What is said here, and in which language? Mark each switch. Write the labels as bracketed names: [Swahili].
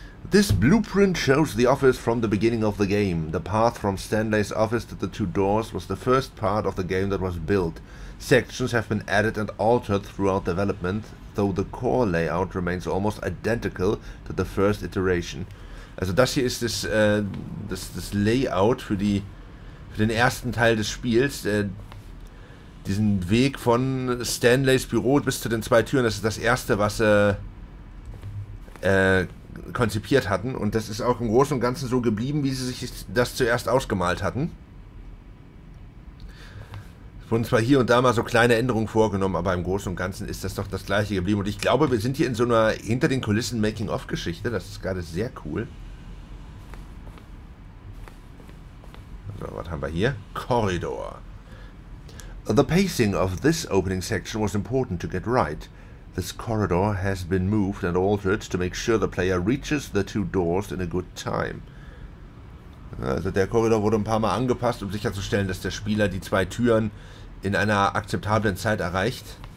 [English] This blueprint shows the office from the beginning of the game. The path from Stanley's office to the two doors was the first part of the game that was built. Sections have been added and altered throughout development, though the core layout remains almost identical to the first iteration. [German] Also das hier ist das, das Layout für die für den ersten Teil des Spiels. Diesen Weg von Stanleys Büro bis zu den zwei Türen, das ist das erste, was sie konzipiert hatten. Und das ist auch im Großen und Ganzen so geblieben, wie sie sich das zuerst ausgemalt hatten. Es wurden zwar hier und da mal so kleine Änderungen vorgenommen, aber im Großen und Ganzen ist das doch das Gleiche geblieben. Und ich glaube, wir sind hier in so einer Hinter-den-Kulissen-Making-of-Geschichte. Das ist gerade sehr cool. So, was haben wir hier? Korridor. [English] The pacing of this opening section was important to get right. This corridor has been moved and altered to make sure the player reaches the two doors in a good time. [German] Also der Korridor wurde ein paar Mal angepasst, um sicherzustellen, dass der Spieler die zwei Türen in einer akzeptablen Zeit erreicht.